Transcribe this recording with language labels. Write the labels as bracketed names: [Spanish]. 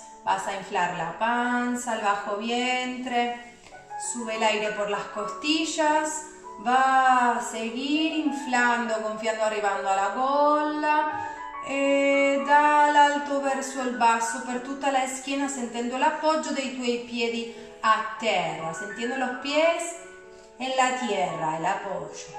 [Spanish] Vas a inflar la panza, el bajo vientre. Sube el aire por las costillas. Va a seguir inflando, confiando, arribando a la gola. [Italian] E dall'alto verso il basso, per tutta la schiena, sentendo l'appoggio dei tuoi piedi a terra. [Spanish] Sentiendo los pies en la tierra, el apoyo.